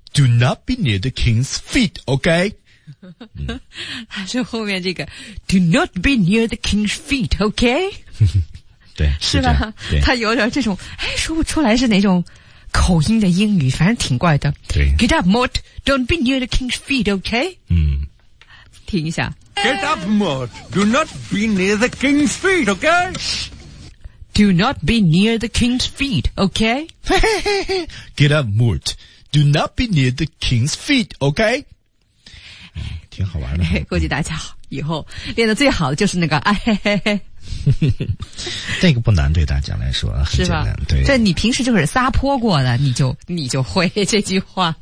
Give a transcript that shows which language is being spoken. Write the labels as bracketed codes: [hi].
[en] Do not be near the king's feet, okay? [zh] 他说后面这个 [en] ,do not be near the king's feet, okay? [zh] 对，是吧？他有点这种，哎，说不出来是哪种口音的英语，反正挺怪的。对 [en] ，Get up, Mort. Don't be near the king's feet, okay? [zh] 嗯，听一下。 [en] Get up, Mort. Do not be near the king's feet, okay? Do not be near the king's feet, okay? Get up, Mort. Do not be near the king's feet, okay? [zh] 挺好玩的。估计大家以后练的最好的就是那个哎嘿嘿嘿。这个不难，对大家来说很简单。对，这你平时就是撒泼过的，你就会这句话。